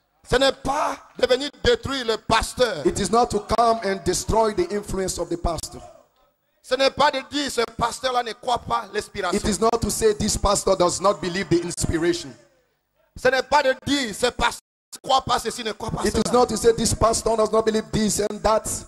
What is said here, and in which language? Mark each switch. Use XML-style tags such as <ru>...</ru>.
<fr>Ce n'est pas de venir détruire le pasteur.</fr> <en>It is not to come and destroy the influence of the pastor.</en> <fr>Ce n'est pas de dire ce pasteur-là ne croit pas l'inspiration.</fr> <en>It is not to say this pastor does not believe the inspiration.</en> <fr>Ce n'est pas de dire ce pasteur ne croit pas ceci, ne croit pas cela.</fr> <en>It is not to say this pastor does not believe this and that.</en>